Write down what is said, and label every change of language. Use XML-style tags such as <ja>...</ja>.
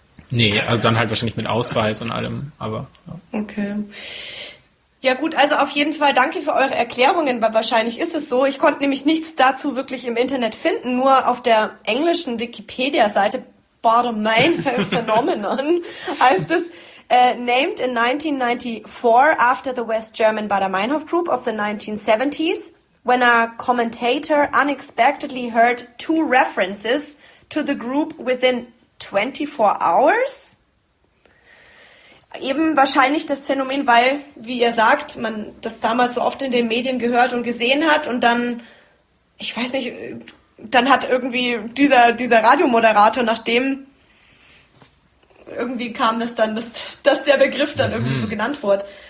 <de>Nee, also dann halt wahrscheinlich mit Ausweis und allem, aber. Ja. Okay. Ja gut, also auf jeden Fall danke für eure Erklärungen, weil wahrscheinlich ist es so. Ich konnte nämlich nichts dazu wirklich im Internet finden, nur auf der englischen Wikipedia-Seite Bottomline Phenomenon heißt es.</de> <en>Named in 1994 after the West German Bader-Meinhof Group of the 1970s, when a commentator unexpectedly heard two references to the group within 24 hours.</en> <de>Eben wahrscheinlich das Phänomen, weil, wie ihr sagt, man das damals so oft in den Medien gehört und gesehen hat und dann, ich weiß nicht, dann hat irgendwie dieser Radiomoderator, nachdem irgendwie kam das dann, dass der Begriff dann irgendwie so genannt wurde.</de>